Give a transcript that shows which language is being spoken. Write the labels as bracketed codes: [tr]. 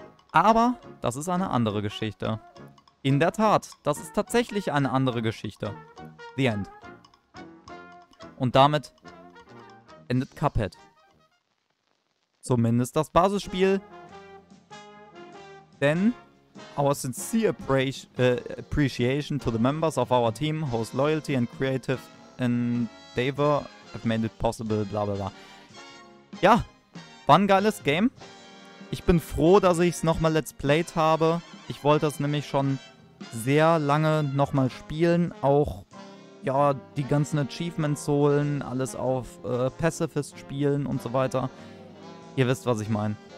[de] Aber das ist eine andere Geschichte. In der Tat, das ist tatsächlich eine andere Geschichte. [en] The End. [de] Und damit endet Cuphead. Zumindest das Basisspiel. [en] Denn our sincere appreciation to the members of our team, whose loyalty and creative endeavor have made it possible, bla bla bla. [de] Ja, war ein geiles Game. Ich bin froh, dass ich es nochmal let's played habe. Ich wollte es nämlich schon sehr lange nochmal spielen, auch... Ja, die ganzen Achievements holen, alles auf Pacifist spielen und so weiter. Ihr wisst, was ich meine.